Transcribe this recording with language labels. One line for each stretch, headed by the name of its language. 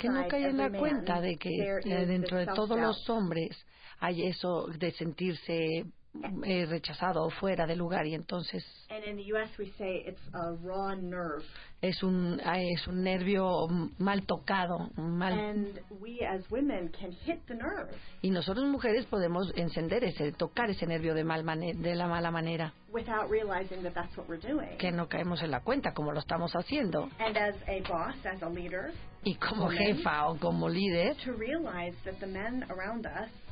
Spanish: que no cae en la cuenta de que dentro de todos los hombres hay eso de sentirse rechazado o fuera de lugar, y entonces es un nervio mal tocado, mal.
English: And we as women can hit the nerve.
Spanish: Y nosotros mujeres podemos encender ese, tocar ese nervio de la mala manera,
English: without realizing that that's what we're doing.
Spanish: Que no caemos en la cuenta como lo estamos haciendo.
English: And as a boss, as a leader,
Spanish: y como
English: women,
Spanish: jefa o como líder,
English: to realize that the men around us,